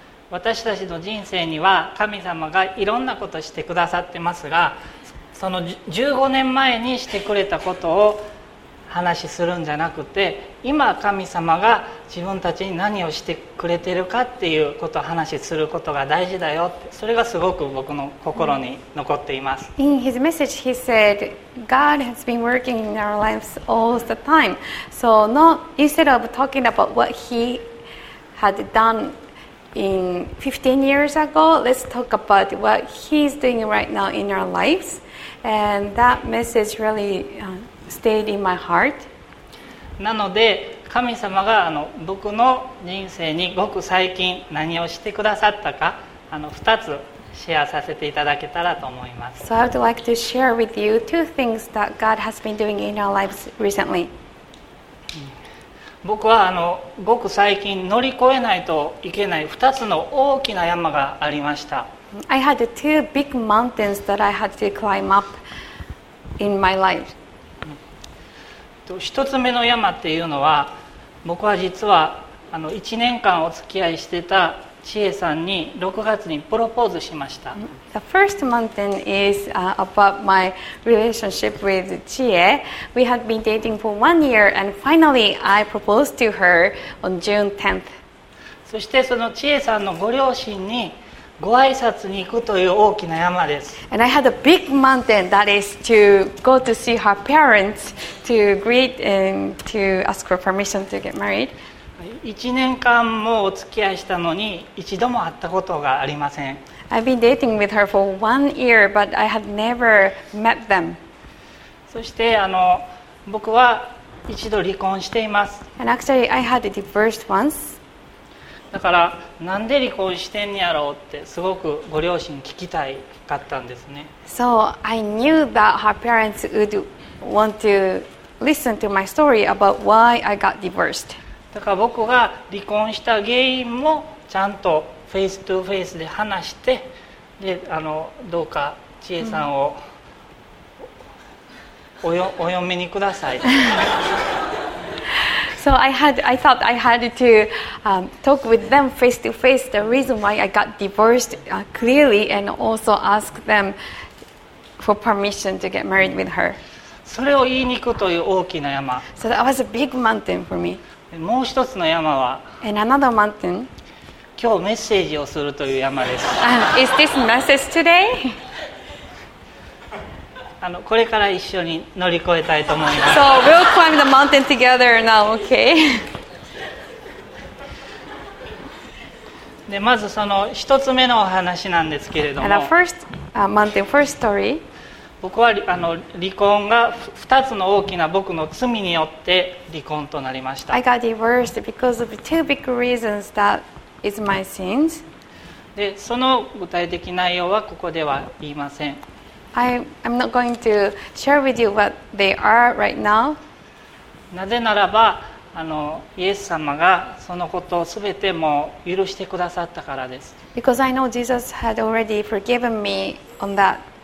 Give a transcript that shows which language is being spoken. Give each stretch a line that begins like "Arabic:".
Japanese: 私たちの人生には神様がいろんなことしてくださってますが、その15年前にしてくれたことを話しするんじゃなくて、今神様が自分たちに何をしてくれてるかっていうことを話しすることが大事だよって、それがすごく僕の心に残っています。
English: In his message, he said, God has been working in our lives all the time. So, not instead of talking about what he had done in 15 years ago, let's talk about what he's doing right now in our lives. And that message really stayed in my heart.
Japanese: なので、神様が僕の人生にごく最近何をしてくださったか、2つシェアさせていただけたらと思います。
English: So I would like to share with you two things that God has been doing in our lives recently.
Japanese: 僕はごく最近乗り越えないといけない2つの大きな山がありました。
English: I had two big mountains that I had to climb up in my life.
Japanese: 一つ目の山っていうのは、僕は実は1年間お付き合いしてた千恵さんに6月にプロポーズしました。
English: The first mountain is about my relationship with Chie. We had been dating for one year and finally I proposed to her on June 10th.
Japanese: そしてその千恵さんのご両親にご挨拶に行くという大きな山です。
English: And I had a big mountain that is to go to see her parents to greet and to ask for permission to get married.
Japanese: 1年間もお付き合いしたのに一度も会ったことがありません。
English: I've been dating with her for one year, but I had never met them.
Japanese: そして僕は一度離婚しています。
English: And actually, I had a divorce once.
Japanese: だからなんで離婚してんやろうってすごくご両親聞きたいかったんですね。
English: So I knew that her parents would want to listen to my story about why I got divorced.
Japanese: だから僕が離婚した原因もちゃんとフェイス2フェイスで話してでどうか千恵さんを お嫁にください。
English: So I thought I had to talk with them face to face the reason why I got divorced clearly and also ask them for permission to get married with her.
Japanese: それを言いに行くという大きな山。
English: So that was a big mountain for me.
Japanese: もう一つの山は
English: another mountain.
Japanese: 今日メッセージをするという山です。
English: Is this message today?
Japanese: これから一緒に乗り越えたいと思います。
English: So we'll climb the mountain together now, okay?
Japanese: でまずその一つ目のお話なんですけれども、
English: And the first, mountain, first story.
Japanese: 僕は離婚が2つの大きな僕の罪によって離婚となりました。
English: I got divorced because of two big reasons that is my sins.
Japanese: で、その具体的内容はここでは言いません。
English: I'm not going to share with you what they are right now.
Japanese: なぜならば、イエス様がそのことをすべてもう許してくださったからです。
English: Because I know Jesus had already forgiven me on that.